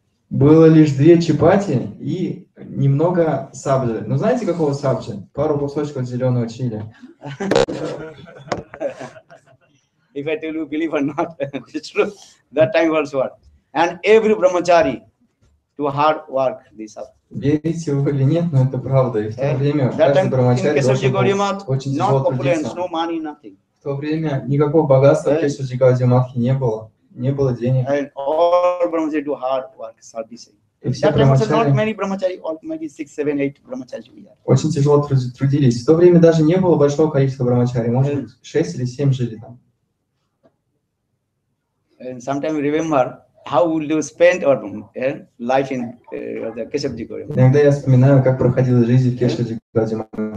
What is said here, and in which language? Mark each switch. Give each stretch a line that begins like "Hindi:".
Russian: Было лишь две чапати и немного сабжи. Ну знаете какого сабжи? Пару кусочков зеленого чили.
English: If I tell you believe or not, it's true. That time was what? And every brahmachari to hard work this up.
Russian: Верите вы или нет, но это правда. И в то время каждый брамачари должен был очень тяжело трудиться.
English: Not opulence, no money, nothing.
Russian: В то время никакого богатства в Кесавджи Гаудия Матхе не было. Не было денег.
English: And all brahmachari do hard work, service. That time was not many brahmachari, maybe 6, 7, 8 brahmachari.
Russian: Очень тяжело трудились. В то время даже не было большого количества брамачари. Может быть, 6 или 7 жили там.
English: And sometimes remember how will you spend our life in the Kesavji Gaudiamat.
Russian: Иногда я вспоминаю, как проходила жизнь в Кесавджи Гаудиамат.